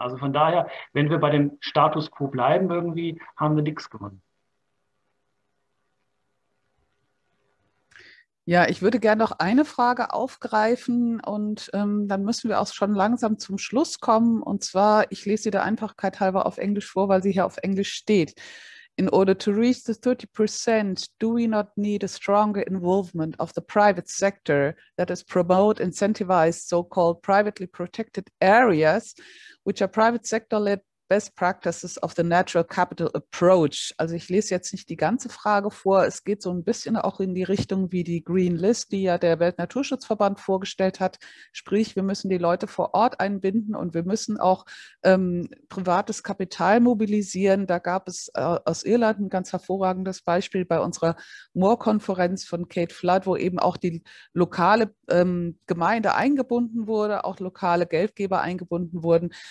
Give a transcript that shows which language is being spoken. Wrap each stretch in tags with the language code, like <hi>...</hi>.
<de>Also von daher, wenn wir bei dem Status quo bleiben irgendwie, haben wir nichts gewonnen. Ja, ich würde gerne noch eine Frage aufgreifen und dann müssen wir auch schon langsam zum Schluss kommen. Und zwar, ich lese sie der Einfachheit halber auf Englisch vor, weil sie hier auf Englisch steht.</de> <en>In order to reach the 30%, do we not need a stronger involvement of the private sector that is promote incentivized so-called privately protected areas, which are private sector-led best practices of the natural capital approach?</en> <de>Also ich lese jetzt nicht die ganze Frage vor. Es geht so ein bisschen auch in die Richtung wie die Green List, die ja der Weltnaturschutzverband vorgestellt hat. Sprich, wir müssen die Leute vor Ort einbinden und wir müssen auch privates Kapital mobilisieren. Da gab es aus Irland ein ganz hervorragendes Beispiel bei unserer Moor-Konferenz von Kate Flood, wo eben auch die lokale Gemeinde eingebunden wurde, auch lokale Geldgeber eingebunden wurden.</de>